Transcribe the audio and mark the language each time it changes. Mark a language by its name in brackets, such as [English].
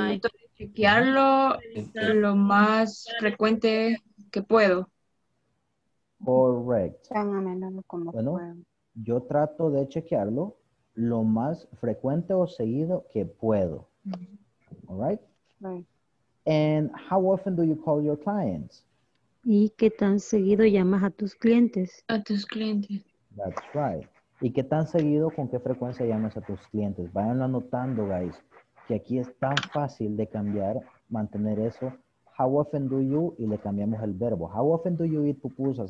[Spanish] hay que chequearlo lo más frecuente que puedo. [English] Correct. [Spanish] Bueno. Yo trato de chequearlo lo más frecuente o seguido que puedo. [English] Mm-hmm. All right? Right. And how often do you call your clients? [Spanish] ¿Y qué tan seguido llamas a tus clientes? A tus clientes. [English] That's right. [Spanish] ¿Y qué tan seguido, con qué frecuencia llamas a tus clientes? Vayan anotando, guys, que aquí es tan fácil de cambiar, mantener eso. [English] How often do you, [Spanish] y le cambiamos el verbo. [English] How often do you eat pupusas?